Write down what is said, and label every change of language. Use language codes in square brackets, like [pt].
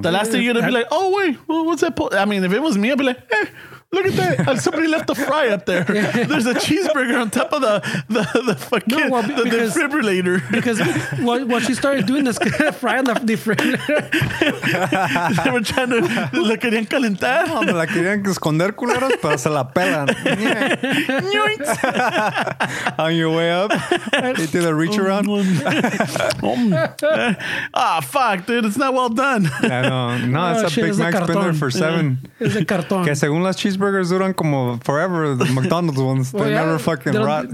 [en] The last thing you're going to be like, oh, wait, what's that? I mean, if it was me, I'd be like, hey, look at that. Somebody left the fry up there. There's a cheeseburger on top of the fucking defibrillator. Because while she started doing this, fry on the defibrillator. They were trying to, [es] la querían calentar. No, me la querían esconder, culeros, pero se la pelan. [en] On your way up, you did a reach around. fuck, dude, it's not well done. No, it's a Big Mac spinner for seven. [es] Es el cartón. Que según las cheeseburgers duran como [en] forever, the McDonald's ones, never fucking rot.